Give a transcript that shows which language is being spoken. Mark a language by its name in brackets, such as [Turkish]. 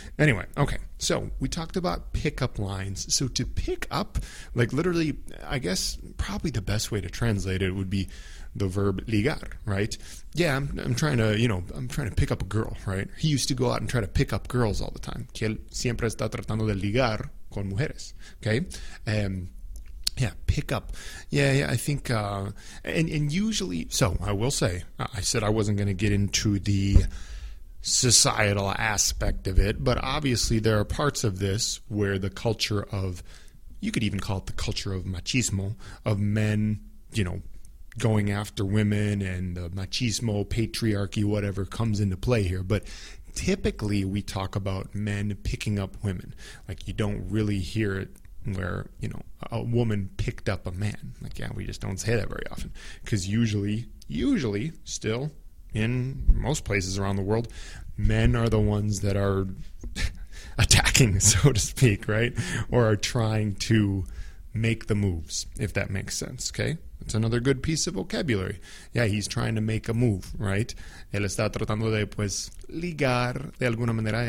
[English] Anyway, okay, so we talked about pickup lines. So to pick up, like literally, I guess probably the best way to translate it would be the verb ligar, right? Yeah, I'm trying to pick up a girl, right? He used to go out and try to pick up girls all the time. [Spanish] Que él siempre está tratando de ligar con mujeres, okay? [English] Yeah, pick up. Yeah, I think, and usually, so I will say, I said I wasn't going to get into the societal aspect of it, but obviously there are parts of this where the culture of, you could even call it the culture of machismo, of men, you know, going after women, and the machismo, patriarchy, whatever comes into play here. But typically we talk about men picking up women. Like, you don't really hear it where, you know, a woman picked up a man. Like, yeah, we just don't say that very often, because usually still, in most places around the world, men are the ones that are attacking, so to speak, right? Or are trying to make the moves, if that makes sense, okay? It's another good piece of vocabulary. Yeah, he's trying to make a move, right? [Spanish] Él está tratando de, pues, ligar de alguna manera.